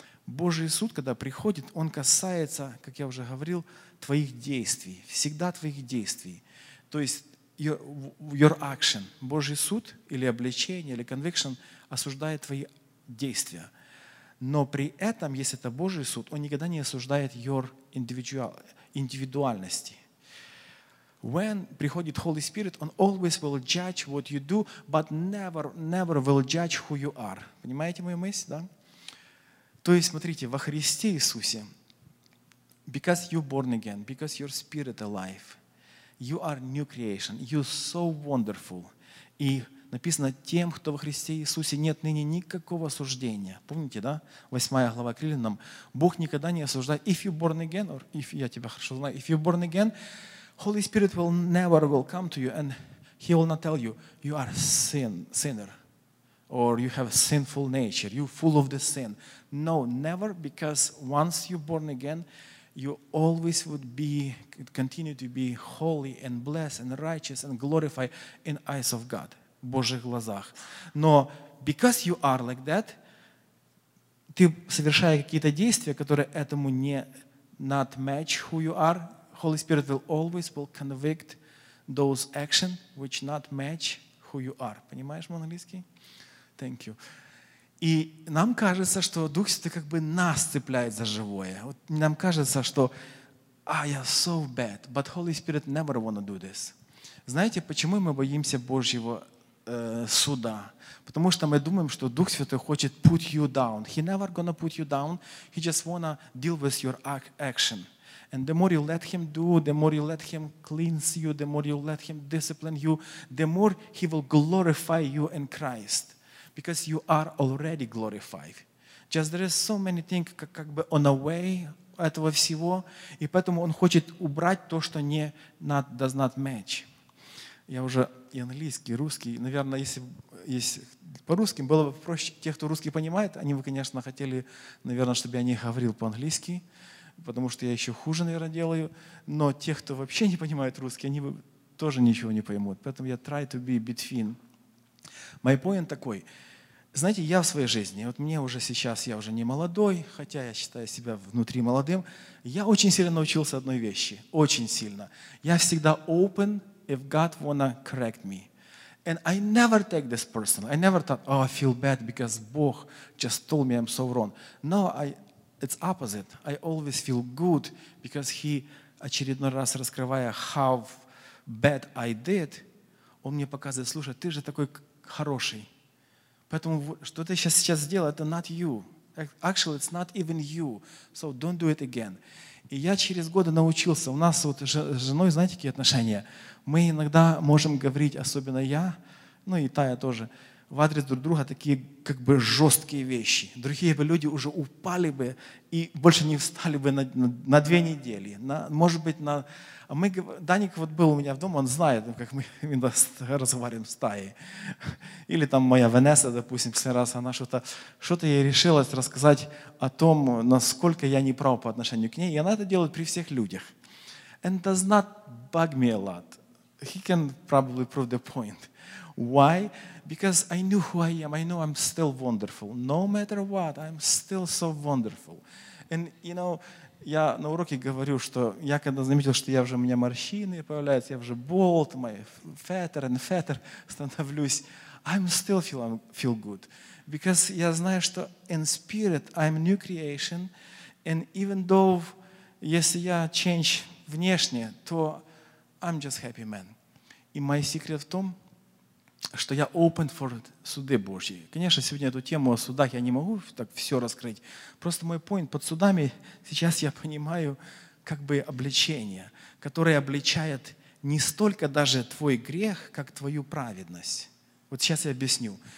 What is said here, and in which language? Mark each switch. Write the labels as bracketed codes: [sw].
[ru] Божий суд, когда приходит, он касается, как я уже говорил, твоих действий, всегда твоих действий. То есть [en] your action, [ru] Божий суд или обличение, или conviction осуждает твои действия. Но при этом, если это Божий суд, он никогда не осуждает [en] your individual, [ru] индивидуальности. [en] When [ru] приходит [en] Holy Spirit, [ru] он [en] always will judge what you do, but never will judge who you are. [ru] Понимаете мою мысль, да? То есть, смотрите, во Христе Иисусе, because you're born again, because your spirit alive, you are new creation, you're so wonderful. И написано, тем, кто во Христе Иисусе, нет ныне никакого осуждения. Помните, да? 8 глава к Римлянам. Бог никогда не осуждает. [en] If you're born again, or if [ru] я тебя хорошо знаю, [en] if you're born again, Holy Spirit will never will come to you and He will not tell you, you are sinner, or you have a sinful nature, you're full of the sin. No, never, because once you're born again, you always would be, continue to be holy and blessed and righteous and glorified in eyes of God, [ru] в Божьих глазах. Но [en] because you are like that, [ru] ты совершая какие-то действия, которые этому не [en] not match who you are, Holy Spirit will always will convict those actions which not match who you are. [ru] Понимаешь, мой английский? [en] Thank you. [ru] И нам кажется, что Дух Святой как бы нас цепляет за живое. Вот нам кажется, что [en] I am so bad, but Holy Spirit never wanna do this. [ru] Знаете, почему мы боимся Божьего суда? Потому что мы думаем, что Дух Святой хочет [en] put you down. He never gonna put you down. He just wanna deal with your action. And the more you let Him do, the more you let Him cleanse you, the more you let Him discipline you, the more He will glorify you in Christ. Because you are already glorified. Just there is so many things [ru] как бы [en] on the way [ru] этого всего, и поэтому Он хочет убрать то, что не [en] not, does not match. [ru] Я уже и английский, и русский. Наверное, если по-русски, было бы проще. Те, кто русский понимает, они бы, конечно, хотели, наверное, чтобы я не говорил по-английски, потому что я еще хуже, наверное, делаю. Но те, кто вообще не понимает русский, они бы тоже ничего не поймут. Поэтому я [en] try to be between. [ru] Мой point такой. Знаете, я в своей жизни, вот мне уже сейчас, я уже не молодой, хотя я считаю себя внутри молодым, я очень сильно научился одной вещи. Очень сильно. Я всегда [en] open if God wanna correct me. And I never take this personal. I never thought, oh, I feel bad because Бог just told me I'm so wrong. No, it's opposite. I always feel good because He, [ru] очередной раз раскрывая [en] how bad I did, [ru] Он мне показывает, слушай, ты же такой хороший. Поэтому, что ты сейчас сделал, это [en] not you. Actually, it's not even you. So don't do it again. [ru] И я через годы научился. У нас вот с женой, знаете, какие отношения? Мы иногда можем говорить, особенно я, ну и Тая тоже, в адрес друг друга такие как бы жесткие вещи. Другие бы люди уже упали бы и больше не встали бы на две недели. А мы, Даник вот был у меня в доме, он знает, как мы именно разговариваем в стае. Или там моя Венесса, допустим, в последний раз, она что-то ей решилась рассказать о том, насколько я не прав по отношению к ней. И она это делает при всех людях. [en] And does not bug me a lot. He can probably prove the point. Why? Because I knew who I am. I know I'm still wonderful. No matter what, I'm still so wonderful. And, you know, [ru] я на уроке говорю, что я когда заметил, что я уже у меня морщины появляются, я уже bald, [en] my fatter and fatter [ru] становлюсь, [en] I'm still feel good. Because [ru] я знаю, что [en] in spirit I'm new creation, and even though [ru] если я [en] change [ru] внешне, то [en] I'm just happy man. [ru] И мой секрет в том, что я [en] open for [ru] суды Божьи. Конечно, сегодня эту тему о судах я не могу так все раскрыть. Просто мой point под судами, сейчас я понимаю как бы обличение, которое обличает не столько даже твой грех, как твою праведность. Вот сейчас я объясню.